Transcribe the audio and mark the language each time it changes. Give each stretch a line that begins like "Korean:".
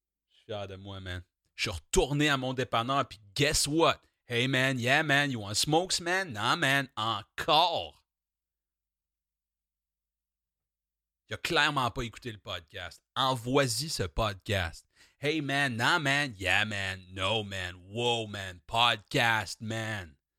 French: Je suis fier de moi, man. Je suis retourné à mon dépanneur puis guess what?
English: Hey, man, yeah, man, you want smokes, man? Nah, man, encore!
French: Il a clairement pas écouté le podcast. Envoie-y ce podcast.
English: Hey, man, nah, man, yeah, man, no, man, whoa, man, podcast, man.